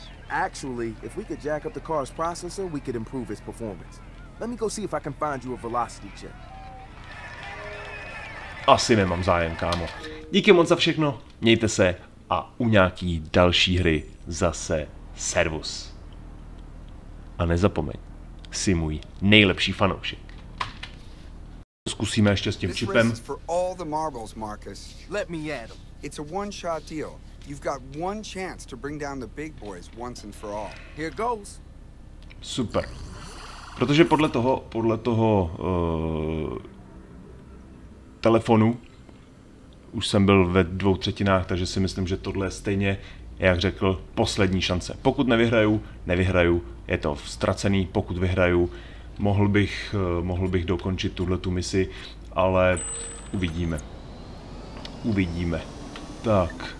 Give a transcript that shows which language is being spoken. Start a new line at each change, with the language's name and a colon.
English: Actually, if we could jack up the car's processor, we could improve its performance. Let me go see if I can find you a velocity check.
Czech: Asi nemám zájem, kámo. Díky moc za všechno, mějte se a u nějaký další hry zase servus. A nezapomeň, jsi můj nejlepší fanoušek. Zkusíme ještě s tím čipem.
English: This is for all the marbles, Marcus. Let me add them. It's a one-shot deal. You've got one chance to bring down the big boys once and for all. Here goes.
Czech: Super. Protože podle toho telefonu už jsem byl ve dvou třetinách, takže si myslím, že tohle je stejně, jak řekl, poslední šance. Pokud nevyhraju, nevyhraju, je to ztracený. Pokud vyhraju, mohl bych dokončit tuhle tu misi, ale uvidíme. Uvidíme. Tak.